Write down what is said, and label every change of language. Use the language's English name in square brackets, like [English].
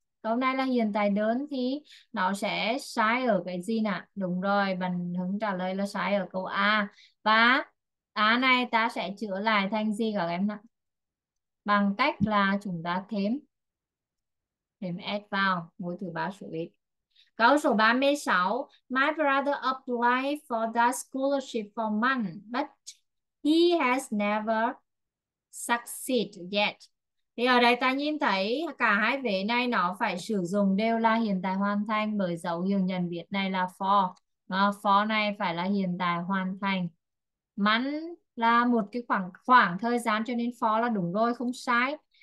[Vietnamese] Câu này là hiện tại đơn thì nó sẽ sai ở cái gì nè? Đúng rồi, bạn Hứng trả lời là sai ở câu A. Và A này ta sẽ chữa lại thành gì các em ạ? Bằng cách là chúng ta thêm thêm add vào ngôi thứ ba số ít. Câu số 36. [English] My brother applied for the scholarship for months, but he has never succeeded yet. [Vietnamese] Thì ở đây ta nhìn thấy cả hai vế này nó phải sử dụng đều là hiện tại hoàn thành, bởi dấu hiệu nhận biết này là for. For này phải là hiện tại hoàn thành. Months là một cái khoảng khoảng thời gian, cho nên for là đúng rồi, không sai.